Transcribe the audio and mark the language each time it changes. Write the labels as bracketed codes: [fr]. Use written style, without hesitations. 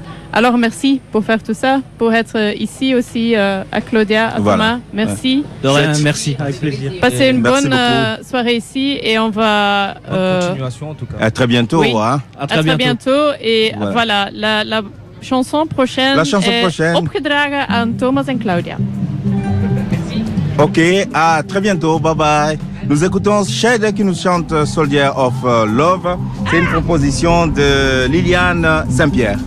[fr] Alors, merci pour faire tout ça, pour être ici aussi à Claudia, à voilà. Thomas. Merci. Ouais. De rien, merci. Avec plaisir. Passez une bonne soirée ici et on va... Bonne continuation, en tout cas. À très bientôt. Oui. Hein. À très bientôt. Et ouais. Voilà, la chanson prochaine. La chanson prochaine. [nl] Op gedragen aan Thomas en Claudia. [fr] Ok, à très bientôt. Bye bye. Nous écoutons Shade qui nous chante Soldier of Love. C'est une proposition de Liliane Saint-Pierre.